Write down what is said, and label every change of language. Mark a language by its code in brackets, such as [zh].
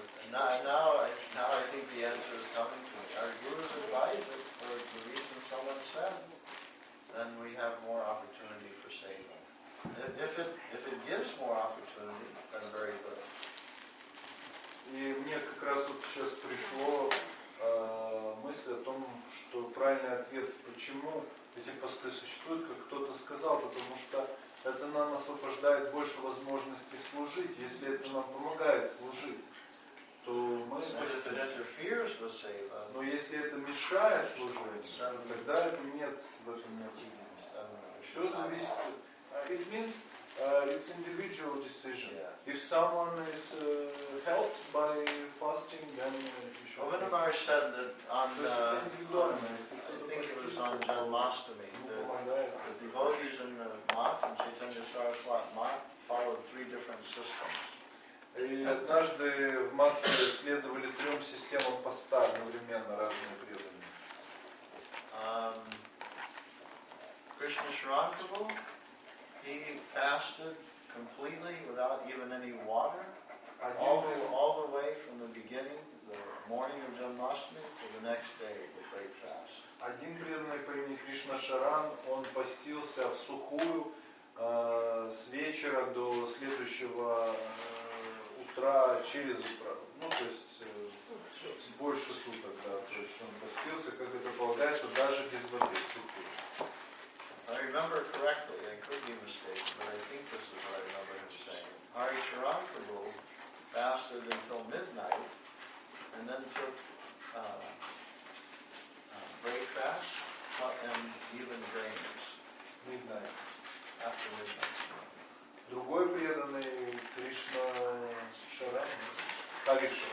[en] Now I think the answer is coming to me. Our gurus advise us for the reason someone said, then we have more opportunity for saving. If it gives more opportunity, then very good. [ru] И мне как раз вот сейчас пришло мысль о том, что правильный ответ, почему эти посты существуют, как кто-то сказал, потому что это нам освобождает больше возможности служить. Если это нам помогает служить, то мы спасемся. Но если это мешает служить, тогда это нет в этом необходимости. Все зависит. [en] It means it's individual decision. Yeah. If someone is helped by fasting, then Avinamara said that on Jalmastami, the devotees in the Math and Chaitanya Saraswati Math followed three different systems. [ru] И однажды в Матхе следовали трем системам поста одновременно разные преданные. [en] Krishna Sharankavu. He fasted completely without even any water, all the way from the beginning, the morning of Janmashtami, to the next day, the great fast. [ru] Один преданный по имени Кришна Шаран, он постился в сухую с вечера до следующего утра через утро. Ну, то есть больше суток, да. То есть он постился, как это полагается, даже без воды в сухую. [en] I remember correctly, I could be mistaken, but I think this is what I remember him saying. Hari Charanprabhu fasted until midnight and then took breakfast and even grains. Midnight. After midnight. [ru] Другой преданный Кришна Шаран.